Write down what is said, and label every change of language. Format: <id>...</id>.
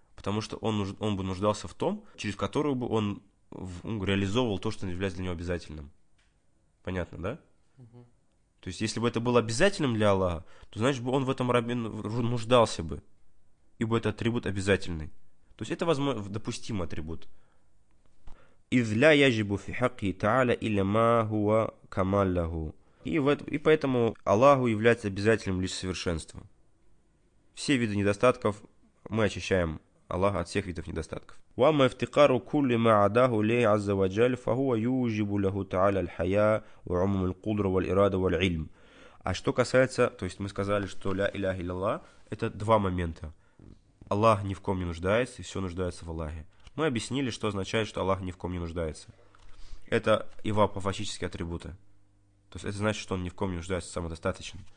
<ru>Потому что он бы нуждался в том, через которую бы он реализовывал то, что является для него обязательным. Понятно, да? То есть, если бы это было обязательным для Аллаха, то значит бы он в этом рабе нуждался бы, ибо это атрибут обязательный. То есть это возможно, допустимый атрибут.</ru> <ar>إذ لا يجب في حقه تعالى إلا ما هو كمال له.</ar> <ru>И поэтому Аллаху является обязательным лишь совершенство. Все виды недостатков мы очищаем Аллаха от всех видов недостатков.</ru> <ar>وما افتقار كل ما عداه له عز وجل فهو يوجب له تعالى الحياة وعموم القدرة والإرادة والعلم.</ar> <ru>А что касается, то есть мы сказали, что لا إله إلا الله, это два момента. Аллах ни в ком не нуждается, и все нуждается в Аллахе. Мы объяснили, что означает, что Аллах ни в ком не нуждается. Это его апофатические атрибуты. То есть это значит, что он ни в ком не нуждается, самодостаточен.</ru>